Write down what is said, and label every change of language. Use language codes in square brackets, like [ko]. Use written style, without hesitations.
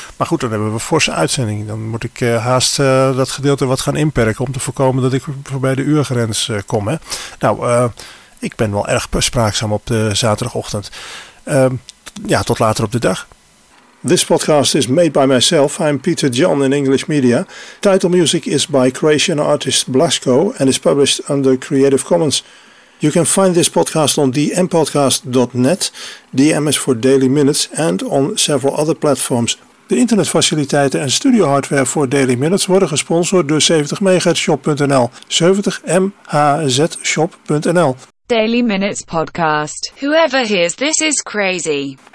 [nl] Maar goed, dan hebben we een forse uitzending. Dan moet ik haast dat gedeelte wat gaan inperken om te voorkomen dat ik voorbij de uurgrens kom. Hè? Ik ben wel erg spraakzaam op de zaterdagochtend. Tot later op de dag. [en] This podcast is made by myself. I'm Peter John in English Media. Title music is by Croatian artist Blasco and is published under Creative Commons. You can find this podcast on dmpodcast.net, DM is for Daily Minutes, and on several other platforms. [nl] De internetfaciliteiten en studio hardware voor Daily Minutes worden gesponsord door 70MHzShop.nl, 70MHzShop.nl. [en] Daily Minutes Podcast. Whoever hears this is crazy.